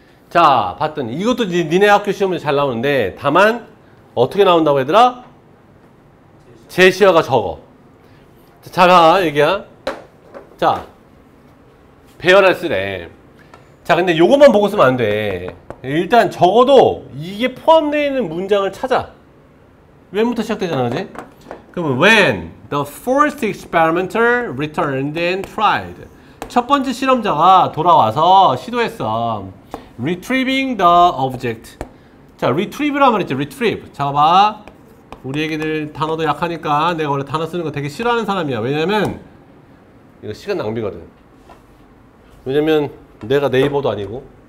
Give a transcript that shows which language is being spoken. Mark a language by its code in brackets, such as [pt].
[ko] 자, 봤더니 이것도 니네 학교 시험에 잘 나오는데 다만 어떻게 나온다고 얘들아? 제시어가 적어. 자, 잘하, 얘기야. 자, 배열할 쓰래. 자, 근데 요것만 보고 쓰면 안 돼. 일단 적어도 이게 포함되어 있는 문장을 찾아. When부터 시작되잖아, 그지? [en] 그러면 when the first experimenter returned and tried. [ko] 첫 번째 실험자가 돌아와서 시도했어. [en] Retrieving the object. 자, retrieve란 말이지. Retrieve. [ko] 자, 봐봐. 우리 애기들 단어도 약하니까 내가 원래 단어 쓰는 거 되게 싫어하는 사람이야. 왜냐면 이거 시간 낭비거든. 왜냐면 내가 네이버도 아니고.